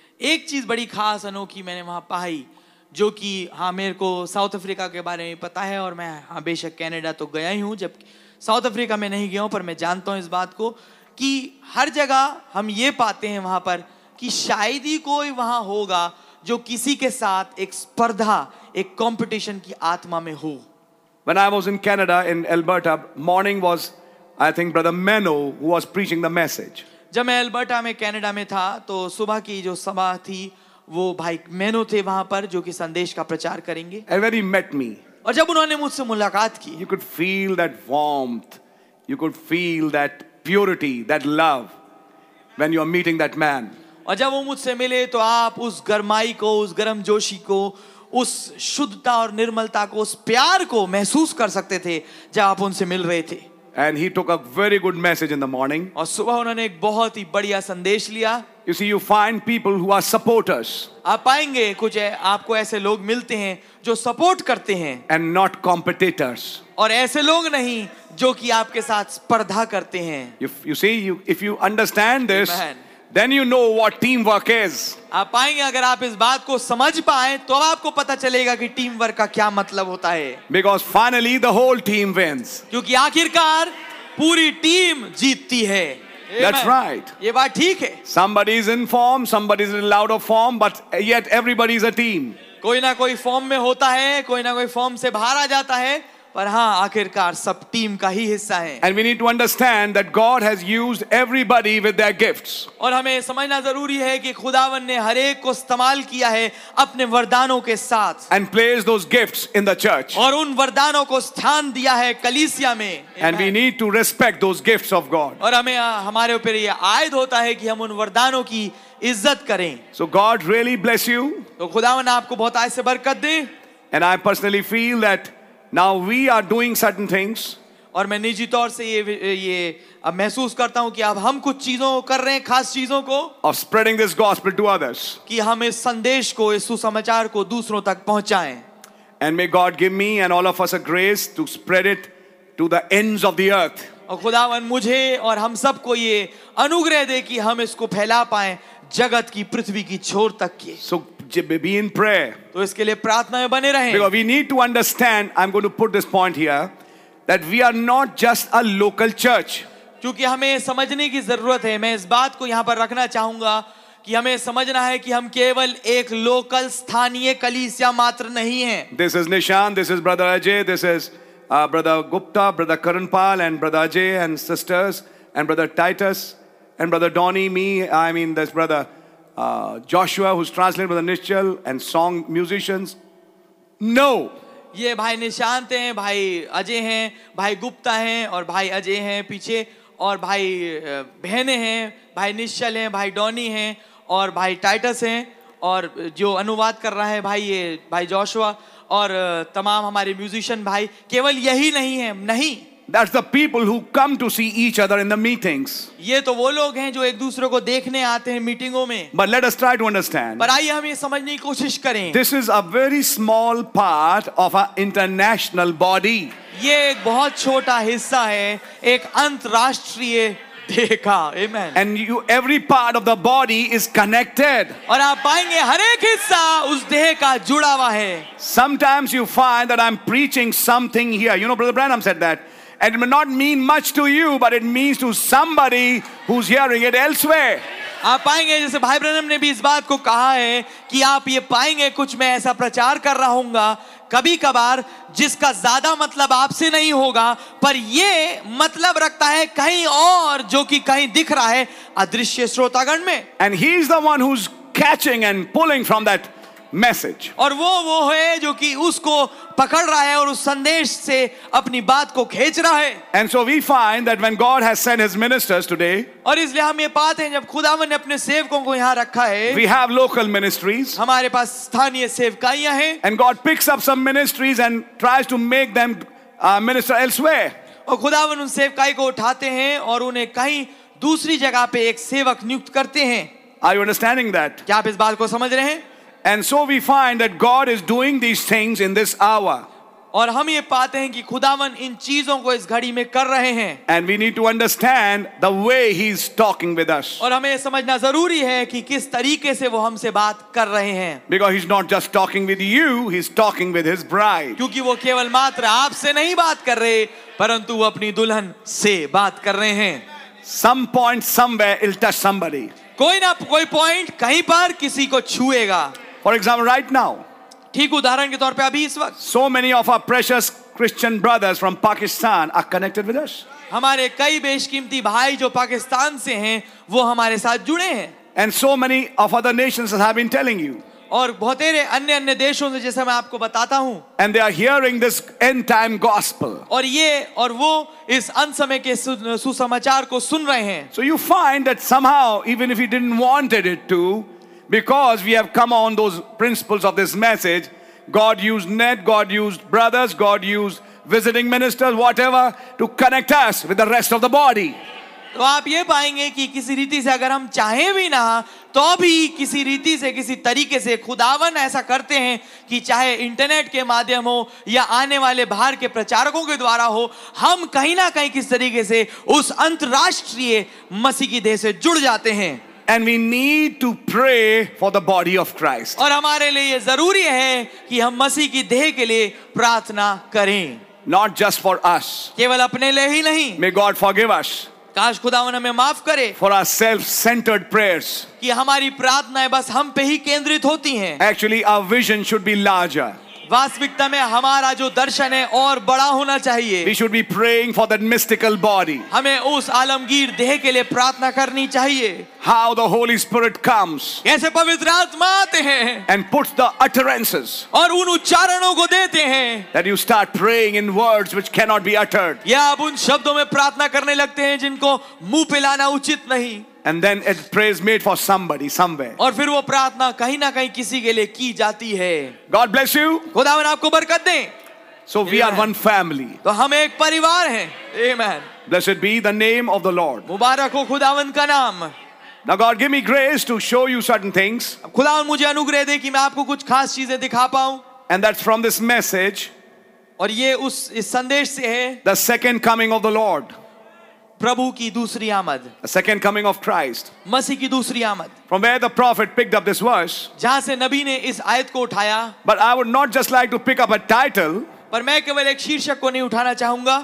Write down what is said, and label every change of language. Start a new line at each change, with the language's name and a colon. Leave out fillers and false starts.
Hindi: एक चीज बड़ी खास अनोखी मैंने वहां पाई जो कि हाँ मेरे को साउथ अफ्रीका के बारे में पता है और मैं हाँ बेशक कनाडा तो गया ही हूँ जब साउथ अफ्रीका में नहीं गया हूँ पर मैं जानता हूँ इस बात को कि हर जगह हम ये पाते हैं वहां पर कि शायद ही कोई वहां होगा जो किसी के साथ एक स्पर्धा एक कॉम्पिटिशन की आत्मा में हो
English: When I was in Canada, in Alberta, morning was, I think, Brother Menno, who was preaching the message.
Hindi: जब मैं अल्बर्टा में कनाडा में था तो सुबह की जो सभा थी वो भाई मेनो थे वहां पर जो कि संदेश का प्रचार करेंगे
English: And when he met me,
Hindi: और जब उन्होंने मुझसे मुलाकात की
English: you could feel that warmth, you could feel that purity, that love when you are meeting that man.
Hindi: और जब वो मुझसे मिले तो आप उस गर्माई को उस गर्म जोशी को उस शुद्धता और निर्मलता को उस प्यार को महसूस कर सकते थे जब आप उनसे मिल रहे थे
English: And he took a very good message in the morning.
Hindi: और सुबह उन्होंने एक बहुत ही बढ़िया संदेश लिया.
English: You see, you find people who are supporters.
Hindi: आप पाएंगे कुछ आपको ऐसे लोग मिलते हैं जो सपोर्ट करते हैं.
English: And not competitors.
Hindi: और ऐसे लोग नहीं जो कि आपके साथ स्पर्धा करते हैं.
English: If you understand this, then you know what teamwork is.
Hindi: आप पाएंगे अगर आप इस बात को समझ पाएं तो आपको पता चलेगा कि टीम वर्क का क्या मतलब होता है
English: Because finally the whole team wins.
Hindi: क्योंकि आखिरकार पूरी टीम जीतती है
English: That's right.
Hindi: ये बात ठीक है
English: Somebody is in form, somebody is in out of form, but yet everybody is a team.
Hindi: कोई ना कोई फॉर्म में होता है कोई ना कोई फॉर्म से बाहर आ जाता है पर हाँ आखिरकार सब टीम का ही हिस्सा है
English: And we need to understand that God has used everybody with their gifts.
Hindi: और हमें समझना जरूरी है कि खुदावन ने हर एक को इस्तेमाल किया है अपने वरदानों के साथ
English: And placed those gifts in the church.
Hindi: और उन वरदानों को स्थान दिया है कलीसिया में
English: And we need to respect those gifts of God.
Hindi: और हमें हमारे ऊपर ये आयद होता है कि हम उन वरदानों की इज्जत करें
English: So God really bless you.
Hindi: तो खुदावन आपको बहुत आय से बरकत दे
English: And I personally feel that Now we are doing certain things.
Hindi: और मैं निजी तौर से ये अब महसूस करता हूँ कि अब हम कुछ चीजों को कर रहे हैं खास चीजों को.
English: Of spreading this gospel to others.
Hindi: कि हम इस संदेश को इस सुसमाचार को दूसरों तक पहुँचाएँ.
English: And may God give me and all of us a grace to spread it to the ends of the earth.
Hindi: और खुदावन मुझे और हम सब को ये अनुग्रह दे कि हम इसको फैला पाएँ जगत की पृथ्वी की छोर तक की.
English: So be in prayer.
Hindi: तो इसके लिए प्रार्थना में बने रहें.
English: Because we need to understand, I'm going to put this point here, that we are not just a local church.
Hindi: क्योंकि हमें समझने की जरूरत है. मैं इस बात को यहाँ पर रखना चाहूँगा कि हमें समझना है कि हम केवल एक लोकल स्थानीय कलीसिया मात्र नहीं हैं.
English: This is Nishan, this is Brother Ajay, this is Brother Gupta, Brother Karanpal, and Brother Ajay and sisters, and Brother Titus, and Brother Donnie, me. I mean, this brother. Joshua, who's translated with Nishchal and song musicians, no.
Hindi: ये भाई निशांत हैं, भाई अजय हैं, भाई गुप्ता हैं और भाई अजय हैं पीछे और भाई बहने हैं, भाई निश्चल हैं, भाई डॉनी हैं और भाई टाइटस हैं, और जो अनुवाद कर रहा है भाई ये भाई जोशुआ, और तमाम हमारे म्यूजिशियन भाई, केवल यही नहीं है, नहीं,
English: That's the people who come to see each other in the meetings.
Hindi: ये तो वो लोग हैं जो एक दूसरे को देखने आते हैं मीटिंगों में.
English: But let us try to understand.
Hindi: पर आइए हम ये समझने की कोशिश करें.
English: This is a very small part of an international body.
Hindi: ये एक बहुत छोटा हिस्सा है एक अंतर्राष्ट्रीय देह का.
English: Amen. And you, every part of the body is connected.
Hindi: और आप पाएंगे हर एक हिस्सा उस देह का जुड़ा हुआ है.
English: Sometimes you find that I'm preaching something here. You know, Brother Branham said that. And it may not mean much to you, but it means to somebody who's hearing it elsewhere.
Hindi: आप पाएंगे जैसे भाई Branham ने भी इस बात को कहा है कि आप ये पाएंगे कुछ मैं ऐसा प्रचार कर रहा हूँगा कभी कभार जिसका ज्यादा मतलब आपसे नहीं होगा पर ये मतलब रखता है कहीं और जो कि कहीं दिख रहा है अदृश्य श्रोतागण में.
English: And he's the one who's catching and pulling from that. Message.
Hindi: और वो है जो कि उसको पकड़ रहा है और उस संदेश से अपनी बात को खेच रहा है.
English: And so we find that when God has sent His ministers today,
Hindi: और इसलिए हम ये पाते हैं जब खुदावन ने अपने सेवकों को यहाँ रखा है.
English: We have local ministries.
Hindi: हमारे पास स्थानीय सेवकाइयाँ हैं.
English: And God picks up some ministries and tries to make them minister elsewhere.
Hindi: और खुदावन उन सेवकाई को उठाते हैं और उन्हें कहीं दूसरी जगह पे एक सेवक नियुक्त करते हैं.
English: Are you understanding that?
Hindi: क्या आप इस बात को समझ रहे हैं?
English: And so we find that God is doing these things in this hour.
Hindi: और हम ये पाते हैं कि खुदावन इन चीजों को इस घड़ी में कर रहे हैं.
English: And we need to understand the way He's talking with us.
Hindi: और हमें समझना जरूरी है कि किस तरीके से वो हमसे बात कर रहे हैं.
English: Because He's not just talking with you, He's talking with His bride.
Hindi: क्योंकि वो केवल मात्र आपसे नहीं बात कर रहे परंतु वो अपनी दुल्हन से बात कर रहे हैं.
English: Some point somewhere it'll touch somebody.
Hindi: कोई ना कोई पॉइंट कहीं पर किसी को छुएगा.
English: For example, right now,
Hindi: ठीक उदाहरण के तौर पे अभी इस वक्त,
English: so many of our precious Christian brothers from Pakistan are connected with us.
Hindi: हमारे कई बेशकीमती भाई जो पाकिस्तान से हैं, वो हमारे साथ जुड़े हैं.
English: And so many of other nations have been telling you.
Hindi: और बहुतेरे अन्य देशों से जैसे मैं आपको बताता हूँ.
English: And they are hearing this end time gospel.
Hindi: और ये और वो इस अंत समय के सुसमाचार को सुन रहे हैं.
English: So you find that somehow, even if you didn't wanted it to. Because we have come on those principles of this message, God used net, God used brothers, God used visiting ministers, whatever, to connect us with the rest of the body.
Hindi: तो आप ये पाएंगे कि किसी रीति से अगर हम चाहें भी ना तो भी किसी रीति से किसी तरीके से खुदावन ऐसा करते हैं कि चाहे इंटरनेट के माध्यम हो या आने वाले बाहर के प्रचारकों के द्वारा हो हम कहीं ना कहीं किस तरीके से उस अंतर्राष्ट्रीय मसीह की देह से जुड़ जाते हैं.
English: And we need to pray for the body of Christ.
Hindi: और हमारे लिए ये जरूरी है कि हम मसीह की देह के लिए प्रार्थना करें.
English: Not just for us.
Hindi: केवल अपने लिए ही नहीं.
English: May God forgive us.
Hindi: काश खुदावन हमें माफ करे.
English: For our self-centered prayers.
Hindi: कि हमारी प्रार्थनाएं बस हम पे ही केंद्रित होती हैं.
English: Actually, our vision should be larger.
Hindi: वास्तविकता में हमारा जो दर्शन है और बड़ा होना चाहिए.
English: We should be praying for that mystical body.
Hindi: हमें उस आलमगीर देह के लिए प्रार्थना करनी चाहिए.
English: How the Holy Spirit comes.
Hindi: कैसे पवित्र आत्मा आते हैं.
English: And puts the utterances.
Hindi: और उन उच्चारणों को देते हैं.
English: That you start praying in words which cannot be uttered.
Hindi: या आप उन शब्दों में प्रार्थना करने लगते हैं जिनको मुंह पे लाना उचित नहीं.
English: And then it prays made for somebody somewhere.
Hindi: और फिर वो प्रार्थना कहीं ना कहीं किसी के लिए की जाती है.
English: God bless you.
Hindi: खुदावन आपको बरकत दे.
English: So we are one family.
Hindi: तो हम एक परिवार हैं. Amen.
English: Blessed be the name of the Lord.
Hindi: मुबारक हो खुदावन का नाम.
English: Now God give me grace to show you certain things.
Hindi: खुदावन मुझे अनुग्रह दे कि मैं आपको कुछ खास चीजें दिखा पाऊं.
English: And that's from this message.
Hindi: और ये इस संदेश से है.
English: The second coming of the Lord.
Hindi: प्रभु की दूसरी आमद.
English: A second coming of Christ.
Hindi: मसीह की दूसरी आमद.
English: From where the prophet picked up this verse.
Hindi: जहां से नबी ने इस आयत को उठाया.
English: But I would not just like to pick up a title.
Hindi: पर मैं केवल एक शीर्षक को नहीं उठाना चाहूंगा.